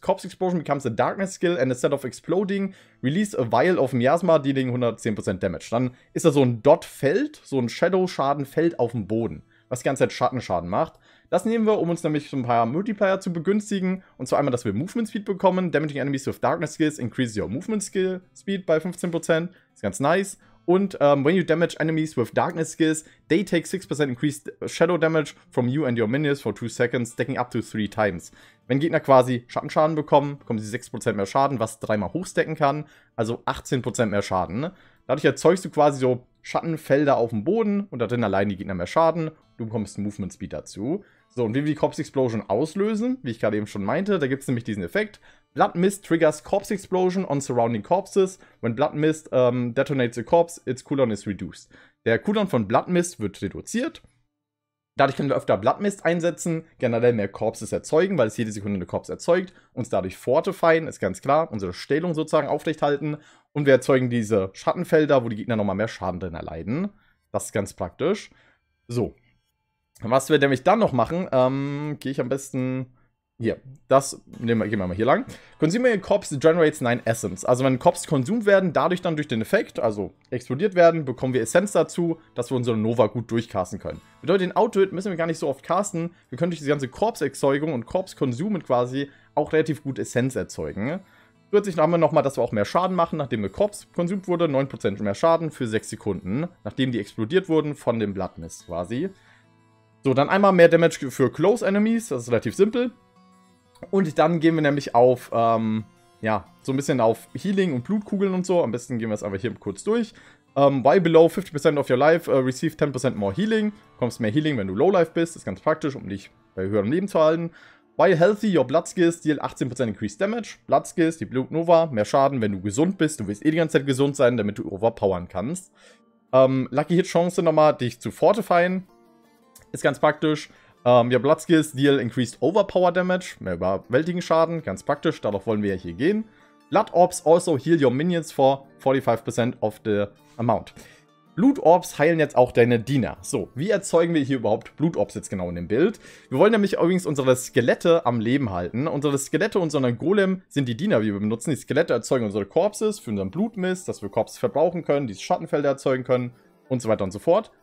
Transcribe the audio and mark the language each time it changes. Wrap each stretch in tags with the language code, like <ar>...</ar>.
<en>Corpse Explosion becomes a Darkness Skill and instead of exploding, release a vial of Miasma, dealing 110% Damage.</en> <de>Dann ist da so ein Dot-Feld, so ein Shadow-Schaden-Feld auf dem Boden, was die ganze Zeit Schattenschaden macht. Das nehmen wir, um uns nämlich so ein paar Multiplier zu begünstigen. Und zwar einmal, dass wir Movement Speed bekommen.</de> <en>Damaging Enemies with Darkness Skills increases your Movement Skill Speed by 15%.</en> <de>Ist ganz nice.</de> <en>Und when you damage enemies with Darkness Skills, they take 6% increased Shadow Damage from you and your minions for 2 seconds, stacking up to 3 times.</en> <de>Wenn Gegner quasi Schattenschaden bekommen, bekommen sie 6% mehr Schaden, was dreimal hochstacken kann. Also 18% mehr Schaden. Dadurch erzeugst du quasi so Schattenfelder auf dem Boden und da drin allein die Gegner mehr Schaden. Du bekommst Movement Speed dazu. So, und wie wir die Corpse Explosion auslösen, wie ich gerade eben schon meinte, da gibt es nämlich diesen Effekt.</de> <en>Blood Mist triggers Corpse Explosion on surrounding corpses. When Blood Mist detonates a corpse, its cooldown is reduced.</en> <de>Der Cooldown von Blood Mist wird reduziert. Dadurch können wir öfter Blood Mist einsetzen, generell mehr Corpses erzeugen, weil es jede Sekunde eine Corpse erzeugt, uns dadurch fortifyen, ist ganz klar, unsere Stellung sozusagen aufrechthalten. Und wir erzeugen diese Schattenfelder, wo die Gegner nochmal mehr Schaden drin erleiden. Das ist ganz praktisch. So. Was wir nämlich dann noch machen, gehe ich am besten hier. Das nehmen wir, gehen wir mal hier lang.</de> <en>Consuming a Corpse generates 9 Essence.</en> <de>Also wenn Corps konsumt werden, dadurch dann durch den Effekt, also explodiert werden, bekommen wir Essence dazu, dass wir unsere Nova gut durchcasten können. Bedeutet, den Outwit müssen wir gar nicht so oft casten. Wir können durch diese ganze Corps-Erzeugung und Corps-Konsumen quasi auch relativ gut Essence erzeugen. Plötzlich haben wir nochmal, dass wir auch mehr Schaden machen, nachdem ein Corps konsumt wurde, 9% mehr Schaden für 6 Sekunden, nachdem die explodiert wurden von dem Blood Mist quasi. So, dann einmal mehr Damage für Close Enemies, das ist relativ simpel. Und dann gehen wir nämlich auf, ja, so ein bisschen auf Healing und Blutkugeln und so. Am besten gehen wir es einfach hier kurz durch.</de> <en>While below 50% of your life, receive 10% more healing.</en> <de>Bekommst mehr Healing, wenn du low life bist. Das ist ganz praktisch, um dich bei höherem Leben zu halten.</de> <en>While healthy, your Blood Skills deal 18% increased damage.</en> <de>Blood Skills, die Blut Nova, mehr Schaden, wenn du gesund bist. Du willst eh die ganze Zeit gesund sein, damit du overpowern kannst. Lucky Hit Chance nochmal, dich zu fortifyen. Ist ganz praktisch.</de> <en>Ja, Blood Skills deal increased overpower damage.</en> <de>Mehr überwältigen Schaden. Ganz praktisch. Darauf wollen wir ja hier gehen.</de> <en>Blood Orbs also heal your minions for 45% of the amount.</en> <de>Blood Orbs heilen jetzt auch deine Diener. So, wie erzeugen wir hier überhaupt Blood Orbs jetzt genau in dem Bild? Wir wollen nämlich übrigens unsere Skelette am Leben halten. Unsere Skelette und unser Golem sind die Diener, die wir benutzen. Die Skelette erzeugen unsere Corpses für unseren Blutmist, dass wir Corpses verbrauchen können, die Schattenfelder erzeugen können und so weiter und so fort.</de>